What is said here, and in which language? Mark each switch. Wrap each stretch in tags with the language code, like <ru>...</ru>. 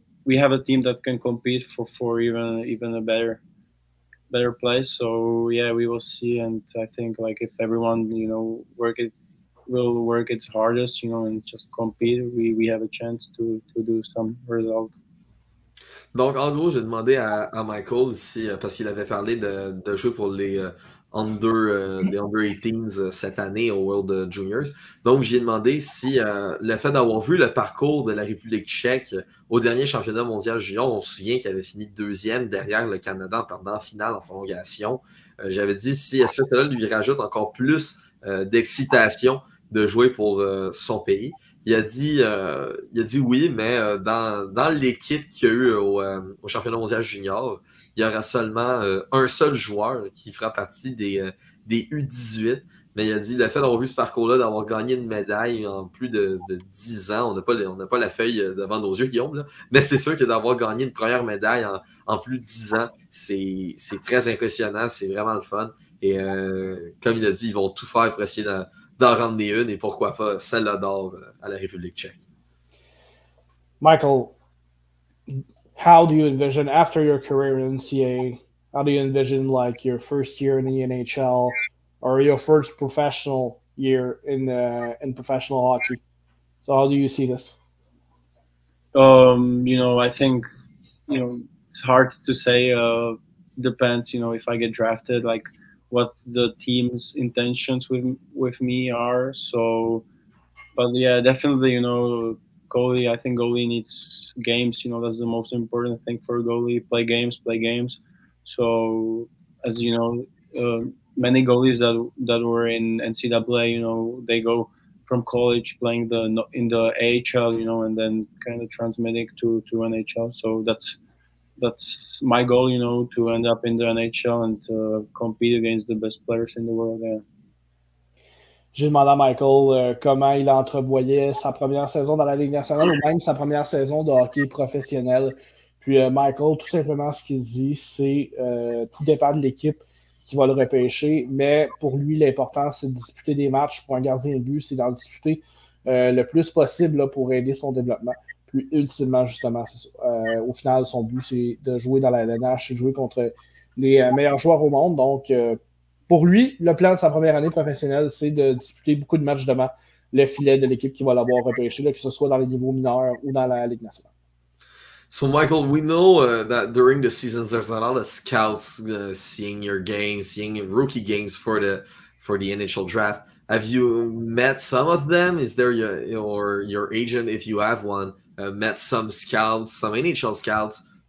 <en>we have a team that can compete for even a better place. So yeah, we will see. And I think like if everyone, you know, will work its hardest, you know, and just compete, we have a chance to do some result.</en> <fr>Donc en gros, j'ai demandé à Michael si parce qu'il avait parlé de jouer pour les</fr> <en>under 18s</en> <fr>cette année au World Juniors. Donc j'ai demandé si le fait d'avoir vu le parcours de la République tchèque au dernier championnat mondial junior, on se souvient qu'il avait fini deuxième derrière le Canada en perdant finale en prolongation. J'avais dit si est-ce que cela lui rajoute encore plus d'excitation de jouer pour son pays. Il a dit oui, mais dans l'équipe qu'il y a eu au championnat mondial junior, il y aura seulement un seul joueur qui fera partie des U18. Mais il a dit le fait d'avoir vu ce parcours-là, d'avoir gagné une médaille en plus de 10 ans, on n'a pas la feuille devant nos yeux, Guillaume, là, mais c'est sûr que d'avoir gagné une première médaille en plus de 10 ans, c'est très impressionnant, c'est vraiment le fun. Et comme il a dit, ils vont tout faire pour essayer d'en ramener une et pourquoi pas celle-là d'or à la République tchèque.</fr> <en>Michael, how do you envision after your career in NCAA, how do you envision like your first year in the NHL or your first professional year in professional hockey? So how do you see this? You know, I think, you know, it's hard to say. Depends, you know, if I get drafted, like, what the team's intentions with me are. So, but yeah, definitely, you know, goalie, I think goalie needs games, you know, that's the most important thing for a goalie, play games. So, as you know, many goalies that were in NCAA, you know, they go from college playing in the AHL, you know, and then kind of transmitting to NHL. So that's my goal, you know, to end up in the NHL and to compete against the best players in the world. Yeah.</en> <fr>J'ai demandé à Michael comment il entrevoyait sa première saison dans la Ligue nationale ou même sa première saison de hockey professionnel. Puis Michael, tout simplement, ce qu'il dit, c'est tout dépend de l'équipe qui va le repêcher, mais pour lui, l'important, c'est de disputer des matchs pour un gardien de but, c'est d'en disputer le plus possible là, pour aider son développement. Puis, ultimement, justement, c'est ça. Au final, son but, c'est de jouer dans la LNH, et jouer contre les meilleurs joueurs au monde. Donc, pour lui, le plan de sa première année professionnelle, c'est de disputer beaucoup de matchs devant le filet de l'équipe qui va l'avoir repêché, là, que ce soit dans les niveaux mineurs ou dans la Ligue nationale.</fr> <en>So, Michael, we know that during the seasons, there's a lot of scouts seeing your games, seeing rookie games for the initial draft. Have you met some of them? Is there your agent, if you have one, met some scouts, some NHL scouts</en>